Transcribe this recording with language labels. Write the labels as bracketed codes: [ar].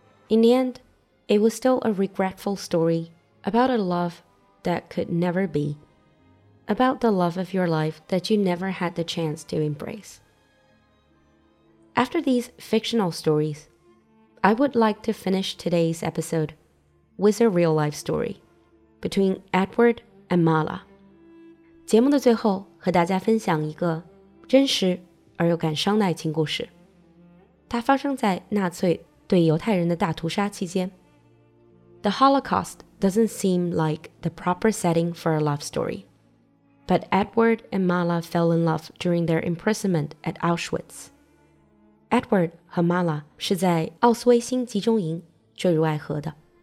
[en] In the end, it was still a regretful story about a loveThat could never be, about the love of your life that you never had the chance to embrace. After these fictional stories, I would like to finish today's episode with a real-life story between Edward and Mala. [zh] 节目的最后和大家分享一个真实而又感伤的爱情故事。它发生在纳粹对犹太人的大屠杀期间。 [en] The Holocaust doesn't seem like the proper setting for a love story. But Edward and Mala fell in love during their imprisonment at Auschwitz. [zh] Edward 和 Mala 是在奥斯维辛集中营坠入爱河的。